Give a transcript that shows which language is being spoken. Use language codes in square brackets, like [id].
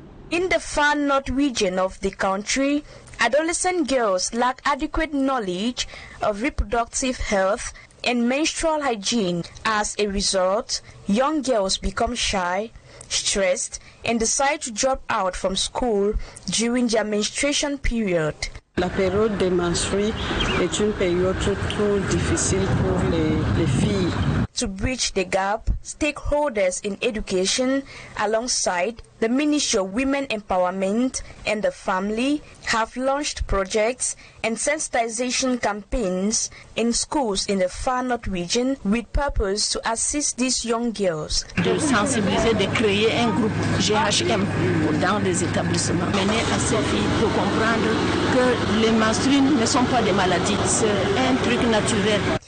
[en] In the far north region of the country, adolescent girls lack adequate knowledge of reproductive health and menstrual hygiene. As a result, young girls become shy, stressed, and decide to drop out from school during their menstruation period. [fr] La période des menstrues est une période trop difficile pour les filles. [en] To bridge the gap, stakeholders in education, alongside the Ministry of Women Empowerment and the Family, have launched projects and sensitization campaigns in schools in the Far North region with purpose to assist these young girls. [fr] De sensibiliser, de créer un groupe GHM dans les établissements, mener à ces filles de comprendre que les menstrues ne sont pas des maladies, c'est un truc naturel.